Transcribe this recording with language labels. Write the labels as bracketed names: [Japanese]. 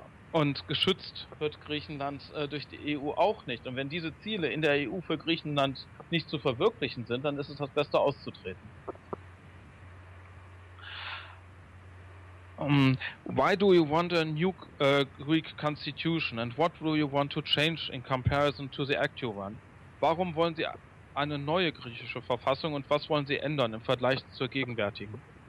[German] Und geschützt wird Griechenland durch die EU auch nicht. Und wenn diese Ziele in der EU für Griechenland nicht zu verwirklichen sind, dann ist es das Beste auszutreten. [English] Why do you want a new Greek constitution and what do you want to change in comparison to the actual one? [German] Warum wollen Sie eine neue griechische Verfassung und was wollen Sie ändern im Vergleich zur gegenwärtigen?